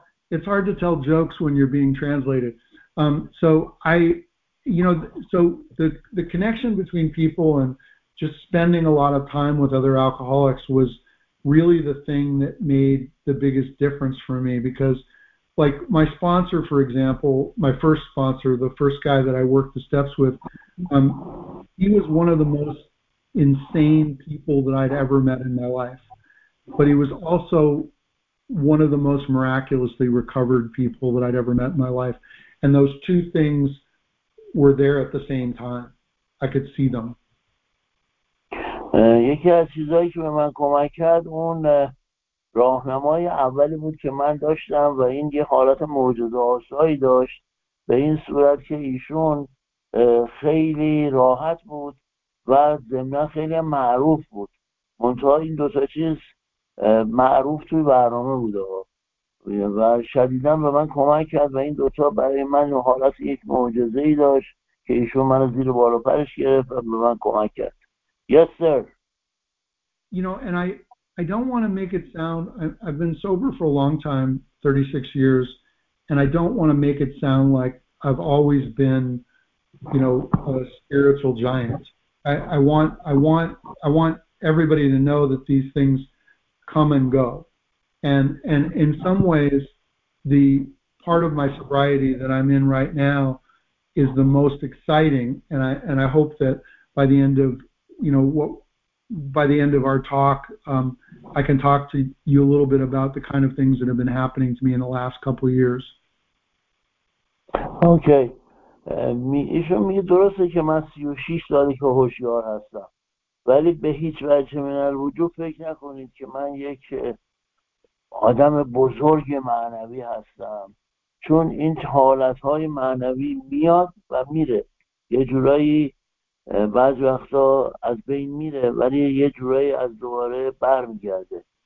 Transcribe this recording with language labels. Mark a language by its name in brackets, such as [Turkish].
[English] It's hard to tell jokes when you're being translated. So the connection between people and just spending a lot of time with other alcoholics was really the thing that made the biggest difference for me, because like my sponsor, for example, my first sponsor, the first guy that I worked the steps with, he was one of the most insane people that I'd ever met in my life. But he was also one of the most miraculously recovered people that I'd ever met in my life. And those two things were there at the same time. I could see them. [Persian] یکی از چیزایی که به من کمک کرد اون راهنمای اولی بود که من داشتم و این یه حالت معجزه آسایی داشت به این صورت که ایشون خیلی راحت بود و ضمناً خیلی معروف بود. منتها این دو تا چیز معروف توی برنامه بود و شدیداً به من کمک کرد و این دوتا برای من حالت یک معجزه ای داشت که ایشون من زیر بال و پرش گرفت و به من کمک کرد. [English] Yes, sir. You know, and I don't want to make it sound, I've been sober for a long time, 36 years, and I don't want to make it sound like I've always been, you know, a spiritual giant. I want everybody to know that these things come and go. And in some ways, the part of my sobriety that I'm in right now is the most exciting, and I hope that by the end of, you know, what by the end of our talk, I can talk to you a little bit about the kind of things that have been happening to me in the last couple of years. Okay. [Persian] ایشون میگه درسته که من 36 سالی که هوشیار هستم، ولی به هیچ وجه من الوجود فکر نکنید که من یک آدم بزرگ معنوی هستم، چون این حالتهای معنوی میاد و میره، یه جورایی بعض وقتا از بین میره ولی یه جورایی از دوباره بر میگرده.